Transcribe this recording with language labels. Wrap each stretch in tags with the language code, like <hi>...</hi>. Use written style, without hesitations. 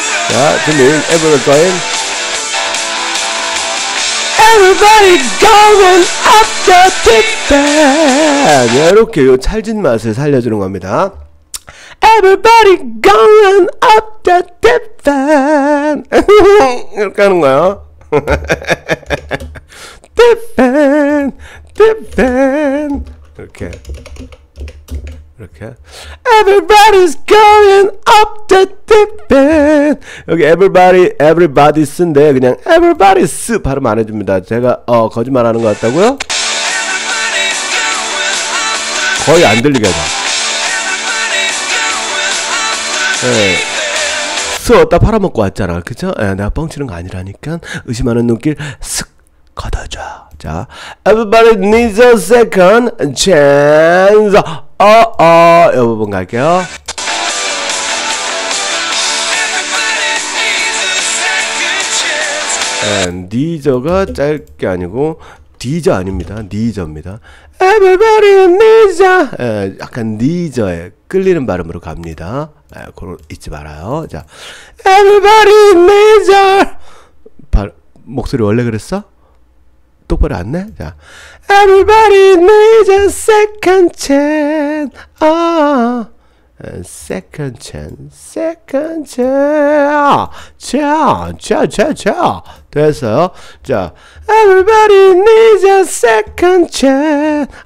<ko>자, 준비,</ko> <en>everybody going. Everybody going up the deep end.</en> <ko>이렇게 요 찰진 맛을 살려주는 겁니다.</ko> <en>Everybody going up the deep end.</en> <ko>이렇게 하는 거야.</ko> <en>Deep end, deep end.</en> <ko>이렇게. 이렇게</ko> <en>Everybody's going up the deep end.</en> <ko>여기 Everybody's인데 그냥 Everybody's 발음 안 해줍니다. 제가 거짓말하는 것 같다고요? 거의 안 들리게 해봐. 네. 스 어디다 팔아먹고 왔잖아. 그쵸? 네, 내가 뻥치는 거 아니라니까 의심하는 눈길 슥 걷어줘.</ko> <en>자, Everybody needs a second chance.</en> <ko>이 부분 갈게요.</ko> <en>Everybody needs a second chance. And</en> <ko>니저가 짧게 아니고 디저 아닙니다. 니저입니다.</ko> <en>Everybody needs a</en> <ko>약간 니저에 끌리는 발음으로 갑니다. 에, 그거 잊지 말아요. 자,</ko> <en>Everybody needs a</en> <ko>목소리 원래 그랬어? 똑바로 안 내?</ko> <en>자, Everybody needs a second chance. 아, second chance, second chance.</en> <ko>자, 자, 자, 자, 됐어요.</ko> <en>자, Everybody needs a second chance.</en>